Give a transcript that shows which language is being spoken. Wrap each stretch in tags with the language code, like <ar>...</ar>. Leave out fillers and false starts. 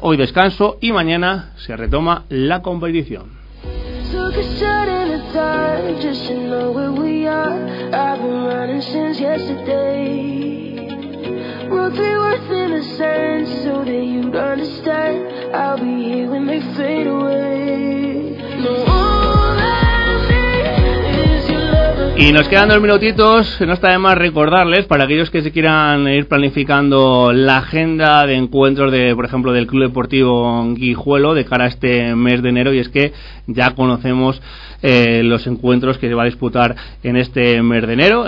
<es>Hoy descanso y mañana se retoma la competición.</es> <en>Took a shot in the dark, just to know where we are. I've been running since yesterday. Wrote 3 words in the sand so that you'd understand. I'll be here when they fade away.</en> <es>No. Y nos quedan 2 minutitos, no está de más recordarles para aquellos que se quieran ir planificando la agenda de encuentros de, por ejemplo, del Club Deportivo Guijuelo de cara a este mes de enero, y es que ya conocemos los encuentros que se va a disputar en este mes de enero.</es>